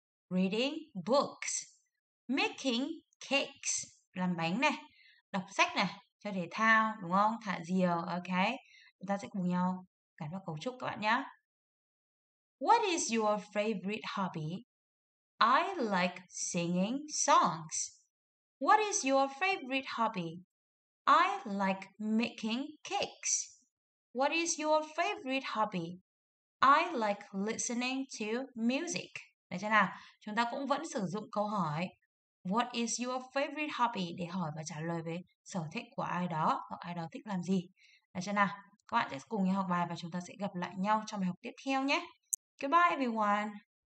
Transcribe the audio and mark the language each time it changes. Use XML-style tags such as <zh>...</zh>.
<en>Reading books, making cakes,</en> <vi>làm bánh này, đọc sách này, chơi thể thao, đúng không? Thả diều, okay. Chúng ta sẽ cùng nhau cải vào cấu trúc các bạn nhé.</vi> <en>What is your favorite hobby? I like singing songs. What is your favorite hobby? I like making cakes. What is your favorite hobby? I like listening to music.</en> <vi>Đấy chứ nào, chúng ta cũng vẫn sử dụng câu hỏi</vi> <en>What is your favorite hobby?</en> <vi>Để hỏi và trả lời về sở thích của ai đó hoặc ai đó thích làm gì. Đấy chứ nào, các bạn sẽ cùng nhau học bài và chúng ta sẽ gặp lại nhau trong bài học tiếp theo nhé.</vi> <en>Goodbye everyone!</en>